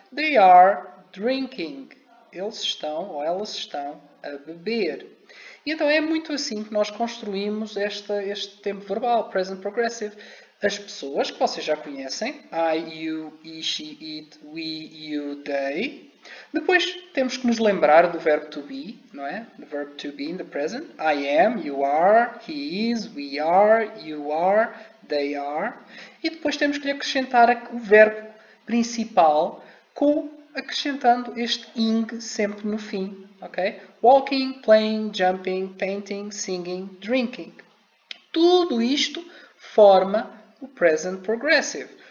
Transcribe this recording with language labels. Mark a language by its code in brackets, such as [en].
[en] They are drinking, [pt] eles estão ou elas estão a beber. E então é muito assim que nós construímos este tempo verbal, present progressive. As pessoas que vocês já conhecem, I, you, he, she, it, we, you, they. Depois temos que nos lembrar do verbo to be, não é? [en] The verb to be in the present. I am, you are, he is, we are, you are, they are. [pt] E depois temos que lhe acrescentar o verbo principal com acrescentando este ing sempre no fim. Okay? [en] Walking, playing, jumping, painting, singing, drinking. [pt] Tudo isto forma o present progressive.